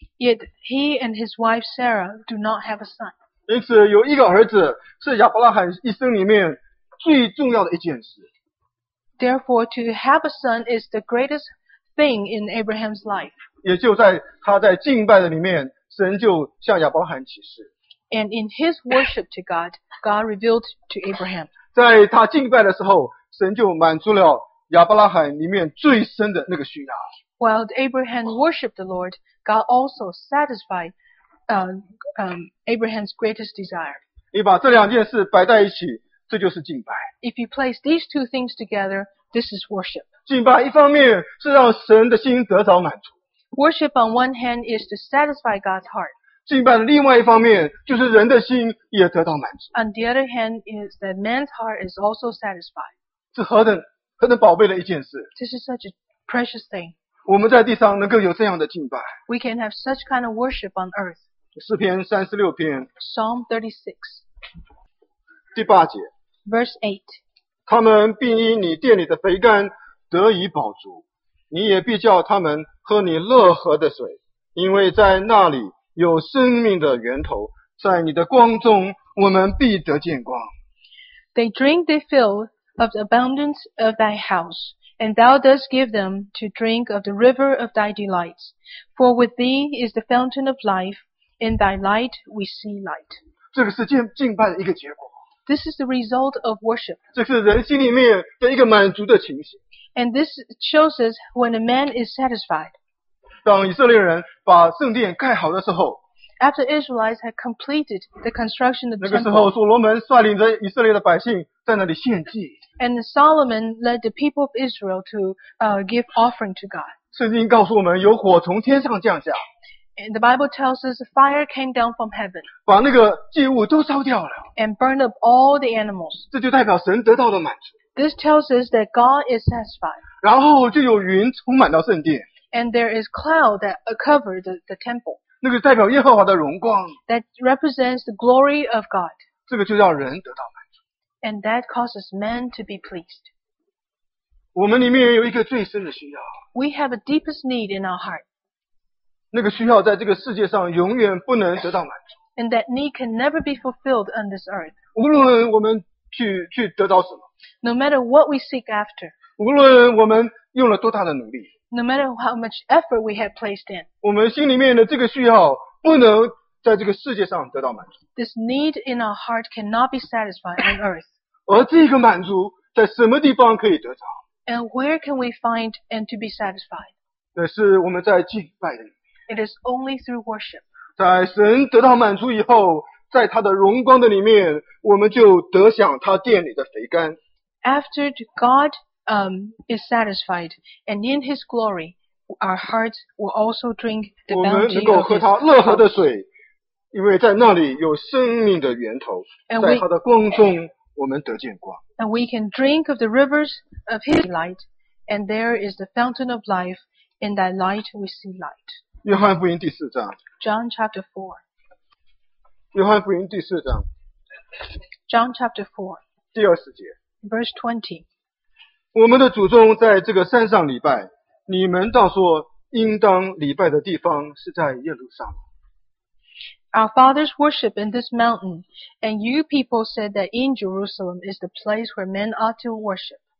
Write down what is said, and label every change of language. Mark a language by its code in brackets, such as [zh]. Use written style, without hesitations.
[en] Yet he and his wife Sarah do not have a son. [zh] 因此有一个儿子是亚伯拉罕一生里面最重要的一件事。 [en] Therefore, to have a son is the greatest thing in Abraham's life. [zh] 也就在他在敬拜的里面，神就向亚伯拉罕启示。 [en] And in his worship to God, God revealed to Abraham. [zh] 在他敬拜的时候，神就满足了亚伯拉罕里面最深的那个需要。 [en] While Abraham worshipped the Lord, God also satisfied Abraham's greatest desire. [zh] 你把这两件事摆在一起，这就是敬拜。 [en] If you place these two things together, this is worship. [zh] 敬拜一方面是让神的心得着满足。 [en] Worship on one hand is to satisfy God's heart. [zh] 敬拜的另外一方面就是人的心也得到满足。 [en] On the other hand is that man's heart is also satisfied. [zh] 这何等宝贝的一件事。 [en] This is such a precious thing. [zh] 我们在地上能够有这样的敬拜。 [en] We can have such kind of worship on earth. [zh] 诗篇36篇。 [en] Psalm 36. [zh] 第八节。 [en] Verse 8. [zh] 他们必因你殿里的肥甘得以饱足，你也必叫他们喝你乐河的水，因为在那里有生命的源头，在你的光中我们必得见光。 [en] They drink their fill of the abundance of thy house. And thou dost give them to drink of the river of thy delights. For with thee is the fountain of life. In thy light we see light. [zh] 这个是敬拜的一个结果。 [en] This is the result of worship. [zh] 这是人心里面的一个满足的情形。 [en] And this shows us when a man is satisfied. [zh] 当以色列人把圣殿盖好的时候 [en] After Israelites had completed the construction of the temple. [zh] 那个时候所罗门率领着以色列的百姓在那里献祭。 [en] And Solomon led the people of Israel to give offering to God. [zh] 圣经告诉我们有火从天上降下。 [en] And the Bible tells us fire came down from heaven. [zh] 把那个祭物都烧掉了。 [en] And burned up all the animals. [zh] 这就代表神得到了满足。 [en] This tells us that God is satisfied. [zh] 然后就有云充满到圣殿。 [en] And there is cloud that covered the temple. [zh] 那个代表耶和华的荣光。 [en] That represents the glory of God. [zh] 这个就叫人得到满足。 [en] And that causes men to be pleased. [zh] 我们里面有一个最深的需要。 [en] We have a deepest need in our heart. [zh] 那个需要在这个世界上永远不能得到满足。 [en] And that need can never be fulfilled on this earth. [zh] 无论我们去得到什么。 [en] No matter what we seek after. [zh] 无论我们用了多大的努力。 [en] No matter how much effort we have placed in. [zh] 我们心里面的这个需要不能在这个世界上得到满足。 [en] This need in our heart cannot be satisfied on earth. [zh] 而这个满足在什么地方可以得到？ [en] And where can we find and to be satisfied? [zh] 那是我们在敬拜的里面。 [en] It is only through worship. [zh] 在神得到满足以后，在他的荣光的里面，我们就得享他殿里的肥甘。 [en] After God is satisfied and in his glory, our hearts will also drink the bounty of his. [zh] 我们能够喝他乐河的水。因为在那里有生命的源头，在他的光中我们得见光。 [en] And we can drink of the rivers of his light, and there is the fountain of life, in that light we see light. [zh] 约翰福音第四章。 [en] John chapter 4. [zh] 约翰福音第四章。 [en] John chapter 4. [zh] 第二十节。 [en] Verse 20. [zh] 我们的祖宗在这个山上礼拜，你们倒说应当礼拜的地方是在耶路撒冷。 [en] Our fathers worship in this mountain, and you people said that in Jerusalem is the place where men ought to worship.